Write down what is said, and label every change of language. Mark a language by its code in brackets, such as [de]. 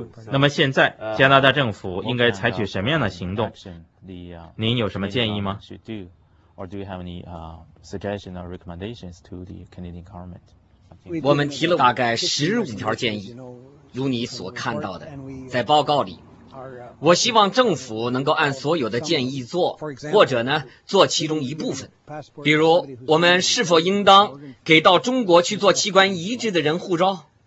[zh] 那么现在加拿大政府应该采取什么样的行动？您有什么建议吗？ [en] Or do you have any suggestions or recommendations to the Canadian government? [zh] 我们提了大概15条建议，如你所看到的，在报告里。我希望政府能够按所有的建议做，或者呢做其中一部分。比如，我们是否应当给到中国去做器官移植的人护照？